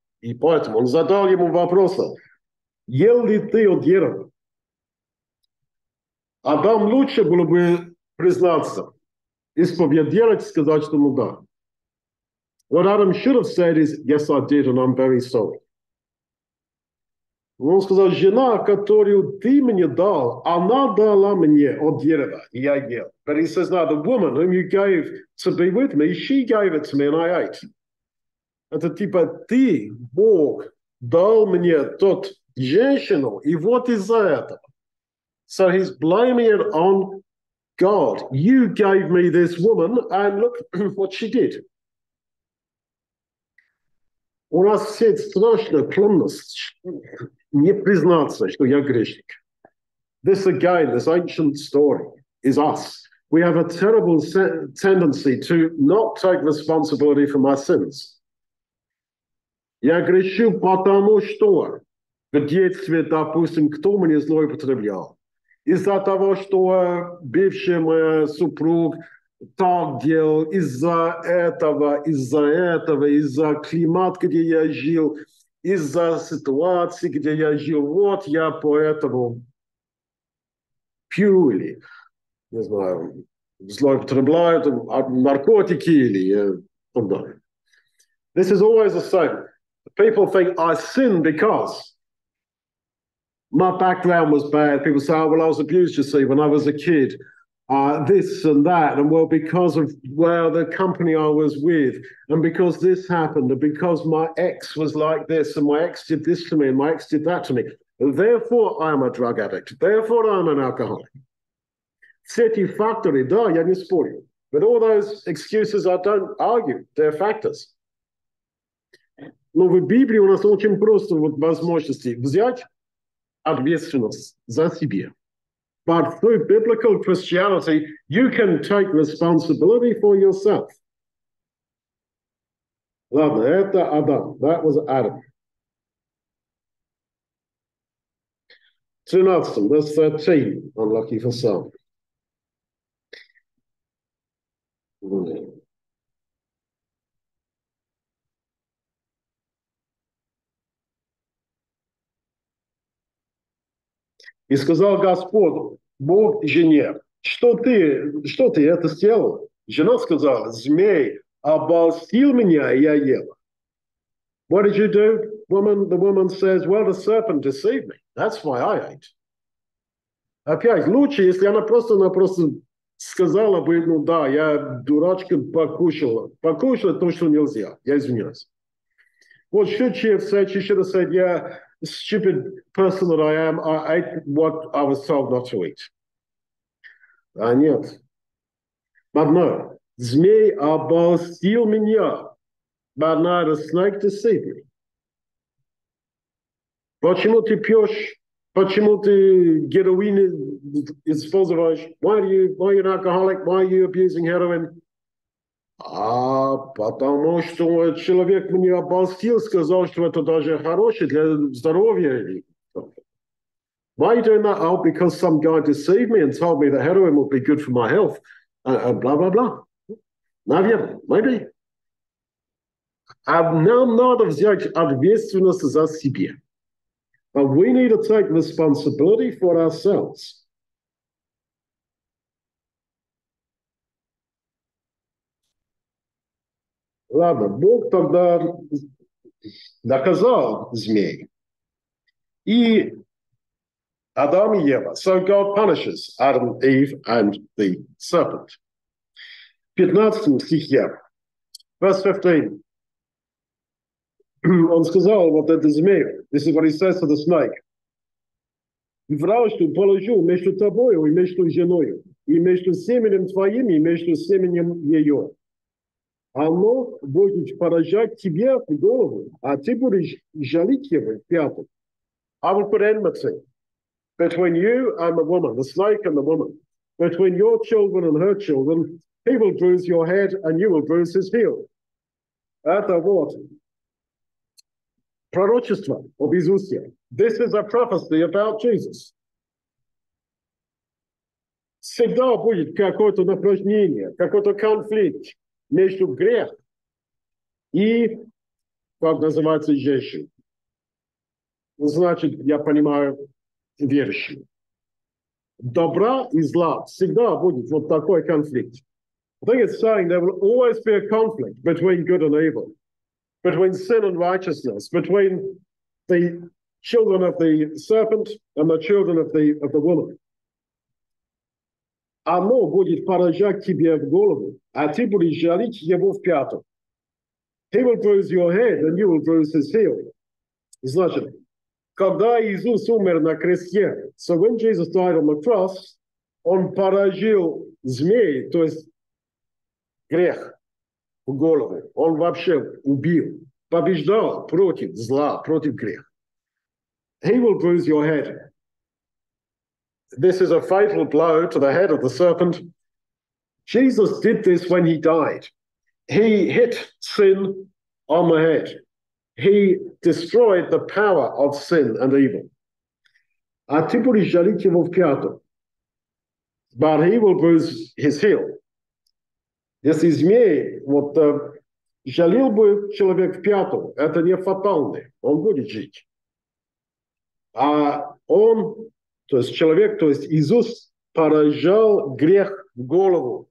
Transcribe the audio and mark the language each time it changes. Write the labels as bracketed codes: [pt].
[ru] И поэтому он задал ему вопрос, ел ли ты от дерева? Адам лучше было бы признаться, исповедовать, сказать, что ну да. [en] What Adam should have said is, yes, I did, and I'm very sorry. [ru] Он сказал, жена, которую ты мне дал, она дала мне от дерева, и я ел. [en] But he says, no, the woman whom you gave to be with me, she gave it to me, and I ate. [ru] Это типа, ты, Бог, дал мне тот женщину, и вот из-за этого. [en] So he's blaming it on God. You gave me this woman, and look what she did. [ru] У нас все страшная клонность не признаться, что я грешник. [en] This again, this ancient story, is us. We have a terrible tendency to not take responsibility for my sins. [ru] Я грешу, потому что в детстве, допустим, кто мне злоупотреблял. Из-за того, что бывший мой супруг так делал, из-за этого, из-за климата, где я жил, из-за ситуации, где я жил, вот я поэтому пью или, не знаю, злоупотребляю наркотики или так далее. [en] This is always the same. People think I sin because my background was bad. People say, oh, well, I was abused, you see, when I was a kid. This and that. And well, because of where the company I was with, and because this happened, and because my ex was like this, and my ex did this to me, and my ex did that to me. Therefore, I am a drug addict. Therefore, I am an alcoholic. [ru] Все эти факторы, да, я не спорю. [en] But all those excuses, I don't argue. They're factors. [ru] Но в Библии у нас очень просто вот возможности взять ответственность за себя. [en] But through biblical Christianity, you can take responsibility for yourself. [ru] Ладно, это Адам. [en] That was Adam. 13, verse 13, unlucky for some. [ru] И сказал Господу, Бог жене, что ты это сделал? Жена сказала, змей обольстил меня, и я ела. [en] What did you do? The woman says, well, the serpent deceived me. That's why I ate. [ru] Опять, лучше, если она просто сказала бы, ну да, я дурачка покушала. Покушала то, что нельзя. Я извиняюсь. [en] Вот should she have said, she should have said, yeah, stupid person that I am, I ate what I was told not to eat. [ru] Нет. [en] But no. [ru] Змей обольстил меня. [en] But no, the snake deceived me. [ru] Почему ты пьешь? Почему ты героин используешь? [en] Why are you an alcoholic? Why are you abusing heroin? [ru] Потому что человек мне обольстил, сказал, что это даже хорошее для здоровья. [en] Why are you doing that? Oh, because some guy deceived me and told me that heroin would be good for my health. Blah, blah, blah. Наверное, maybe. [ru] Нам надо взять ответственность за себя. [en] But we need to take responsibility for ourselves. [ru] Ладно, Бог тогда наказал змей. И Адам и Ева. [en] So God punishes Adam, Eve and the serpent. [ru] 15 стихе. [en] Verse 15. [ru] Он сказал, вот это змей. [en] This is what he says to the snake. [ru] Вражду положу между тобой и между женою, и между семенем твоим, и между семенем ее. Оно будет поражать тебя в голову, а ты будешь жалить его в пятку. [en] I will put enmity between you and the woman, the snake and the woman, between your children and her children, he will bruise your head and you will bruise his heel. [ru] Это вот пророчество об Иисусе. [en] This is a prophecy about Jesus. [ru] Всегда будет какое-то напряжение, какой-то конфликт между грех и, как называется, женщиной. Значит, я понимаю, верующие. Добра и зла всегда будет вот такой конфликт. [en] I think it's saying there will always be a conflict between good and evil, between sin and righteousness, between the children of the serpent and the children of the woman. [ru] Оно будет поражать тебе в голову, а ты будешь жалить его в пяту. [en] He will bruise your head and you will bruise his heel. [ru] Значит, когда Иисус умер на кресте, [en] so when Jesus died on the cross, [ru] он поражил змей, то есть грех в голову. Он вообще убил, побеждал против зла, против греха. [en] He will bruise your head. This is a fatal blow to the head of the serpent. Jesus did this when he died. He hit sin on the head. He destroyed the power of sin and evil. [ru] А ты будешь жалить его в пяту. [en] But he will bruise his heel. [ru] Если змей вот жалил бы человек в пяту, это не фатально. Он будет жить. А он, то есть человек, то есть Иисус, поражал грех в голову.